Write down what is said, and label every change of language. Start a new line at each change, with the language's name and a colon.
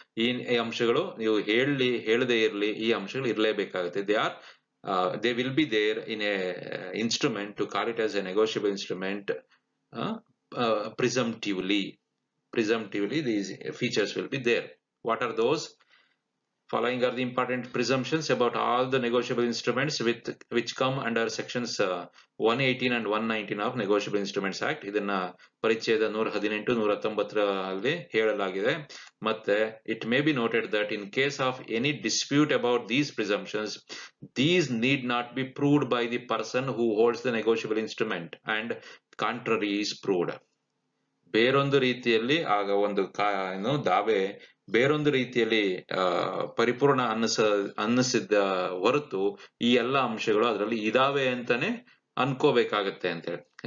Kannada: ಈ ಅಂಶಗಳು ನೀವು ಹೇಳಿ ಹೇಳದೆ ಇರಲಿ, ಈ ಅಂಶಗಳು ಇರಲೇಬೇಕಾಗುತ್ತೆ.
English: They are they will be there in a instrument to call it as a negotiable instrument presumptively these features will be there. What are those? Following are the important presumptions about all the negotiable instruments which come under sections 118 and 119 of Negotiable Instruments Act.
Kannada: ಇದನ್ನ ಪರಿಚಯದ 118-119 ಹೇಳಲಾಗಿದೆ. ಮತ್ತೆ
English: It may be noted that in case of any dispute about these presumptions, these need not be proved by the person who holds the negotiable instrument and contrary is proved.
Kannada: ಬೇರೊಂದು ರೀತಿಯಲ್ಲಿ ಆಗ ಒಂದು ಏನು ದಾವೆ ಬೇರೊಂದು ರೀತಿಯಲ್ಲಿ ಪರಿಪೂರ್ಣ ಅನ್ನಿಸಿದ ಹೊರತು ಈ ಎಲ್ಲ ಅಂಶಗಳು ಅದರಲ್ಲಿ ಇದಾವೆ ಅಂತಾನೆ ಅನ್ಕೋಬೇಕಾಗತ್ತೆ ಅಂತೇಳಿ.